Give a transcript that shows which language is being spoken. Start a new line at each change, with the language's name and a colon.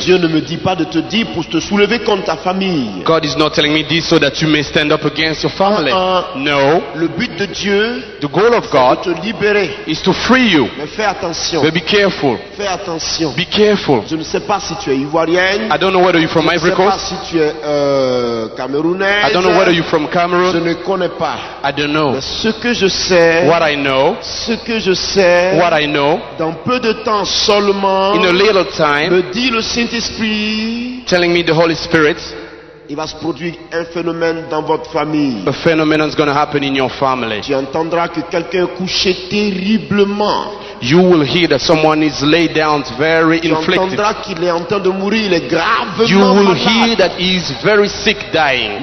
French: Dieu ne me dit pas de te dire pour te soulever contre ta famille.
English: God is not telling me this so that you may stand up against your family. No.
French: Le but de Dieu,
English: the goal of God,
French: de te libérer,
English: is to free you.
French: Mais fais attention.
English: But be careful.
French: Fais attention.
English: Be careful.
French: Je ne sais pas si tu es ivoirienne.
English: I don't know whether you're from Ivory Coast.
French: Je ne sais pas si tu es camerounaise.
English: I don't know whether you're from Cameroon.
French: Je ne connais pas.
English: I don't know.
French: Mais ce que je sais,
English: what I know.
French: Ce que je sais,
English: what I know,
French: dans peu de temps seulement,
English: in a little time,
French: me dit le Saint-Esprit,
English: telling me the Holy Spirit,
French: il va se produire un phénomène dans votre famille.
English: A phenomenon is going to happen in your family.
French: Tu entendras que quelqu'un est couché terriblement.
English: You will hear that someone is laid down very inflicted.
French: Tu entendras qu'il est en train de mourir, il est gravement
English: you will
French: malade.
English: Hear that he is very sick, dying.